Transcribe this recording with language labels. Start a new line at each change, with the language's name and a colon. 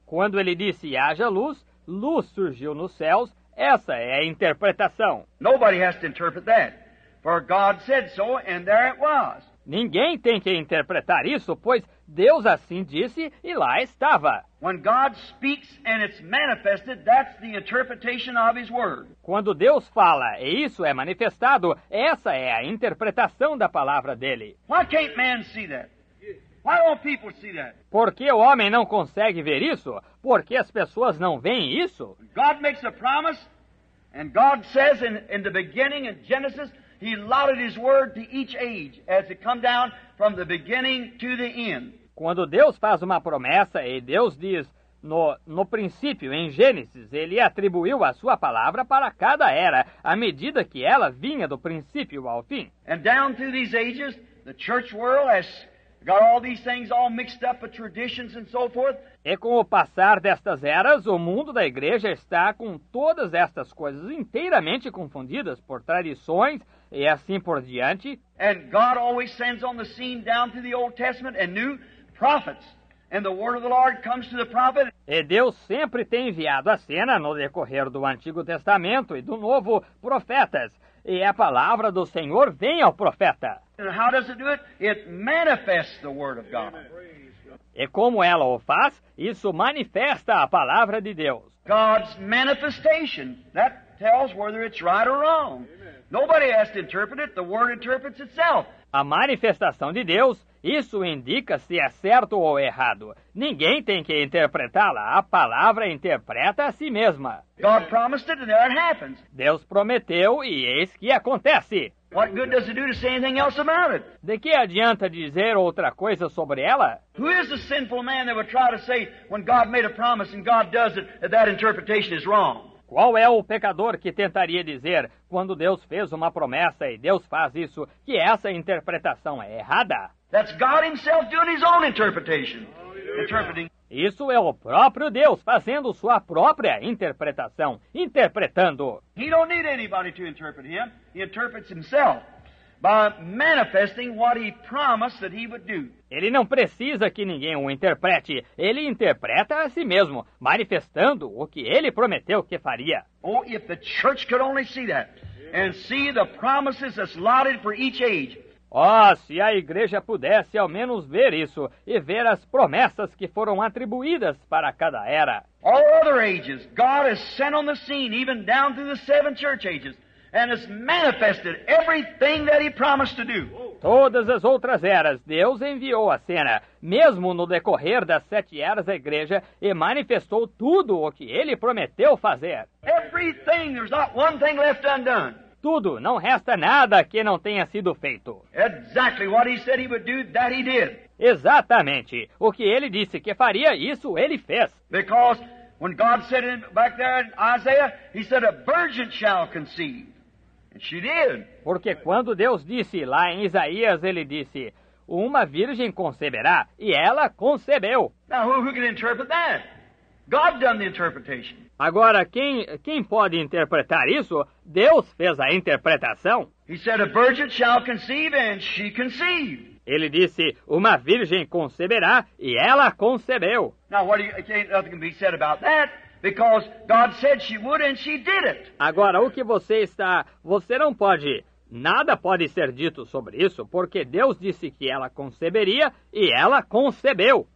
Portuguese: Quando ele disse, haja luz, luz surgiu nos céus. Essa é a interpretação.
English: Nobody has to interpret that, for God said so, and there it was.
Portuguese: Ninguém tem que interpretar isso, pois Deus assim disse e lá estava.
English: When God speaks and it's manifested, that's the interpretation of his word.
Portuguese: Quando Deus fala e isso é manifestado, essa é a interpretação da palavra dele.
English: Why can't man see that? Why don't people see that?
Portuguese: Por que o homem não consegue ver isso? Por que as pessoas não veem isso?
English: God makes a promise, and God says in the beginning in Genesis, he allotted his word to each age as it come down from the beginning to the end.
Portuguese: Quando Deus faz uma promessa e Deus diz no princípio, em Gênesis, ele atribuiu a sua palavra para cada era, à medida que ela vinha do princípio ao fim.
English: And down through these ages, the church world has got all these things all mixed up with traditions and so forth.
Portuguese: E com o passar destas eras, o mundo da igreja está com todas estas coisas inteiramente confundidas por tradições e assim por diante.
English: And God always sends on the scene down to the Old Testament and new prophets. And the word of the Lord comes to the prophet.
Portuguese: E Deus sempre tem enviado à cena no decorrer do Antigo Testamento e do Novo profetas. E a palavra do Senhor vem ao profeta.
English: And how does it do it? It manifests the word of God.
Portuguese: E como ela o faz? Isso manifesta a palavra de Deus.
English: God's manifestation. That tells whether it's right or wrong. Amen. Nobody has to interpret it. The word interprets itself.
Portuguese: A manifestação de Deus, isso indica se é certo ou errado. Ninguém tem que interpretá-la. A palavra interpreta a si mesma.
English: God promised it and there it happens.
Portuguese: Deus prometeu e eis que acontece.
English: What good does it do to say anything else about it?
Portuguese: De que adianta dizer outra coisa sobre ela?
English: Who is the sinful man that would try to say when God made a promise and God does it that that interpretation is wrong?
Portuguese: Qual é o pecador que tentaria dizer, quando Deus fez uma promessa e Deus faz isso, que essa interpretação é errada?
English: That's God himself doing his own interpretation. Interpreting.
Portuguese: Isso é o próprio Deus fazendo sua própria interpretação, interpretando.
English: He don't need anybody to interpret him. He interprets himself by manifesting what he promised that he would do.
Portuguese: Ele não precisa que ninguém o interprete. Ele interpreta a si mesmo, manifestando o que ele prometeu que faria.
English: Oh, if the church could only see that and see the promises that's allotted for each age.
Portuguese: Oh, se a igreja pudesse ao menos ver isso e ver as promessas que foram atribuídas para cada era.
English: All other ages, God has sent on the scene, even down through the seven church ages, and has manifested everything that he promised to do.
Portuguese: Todas as outras eras, Deus enviou à cena, mesmo no decorrer das sete eras da igreja, e manifestou tudo o que ele prometeu fazer.
English: Everything, there's not one thing left undone.
Portuguese: Tudo, não resta nada que não tenha sido feito.
English: Exactly what he said he would do, that he did.
Portuguese: Exatamente. O que ele disse que faria, isso ele fez.
English: Because when God said it back there in Isaiah, he said a virgin shall conceive. And she did.
Portuguese: Porque quando Deus disse lá em Isaías, ele disse, uma virgem conceberá, e ela concebeu.
English: Now who can interpret that? God done the interpretation.
Portuguese: Agora, quem pode interpretar isso? Deus fez a interpretação.
English: He said, a virgin shall conceive, and she conceived.
Portuguese: Ele disse, uma virgem conceberá, e ela concebeu.
English: Now, what do you, can't nothing be said about that? Because God said she would and she did it.
Portuguese: Agora, o que você está... Você não pode... Nada pode ser dito sobre isso, porque Deus disse que ela conceberia e ela concebeu.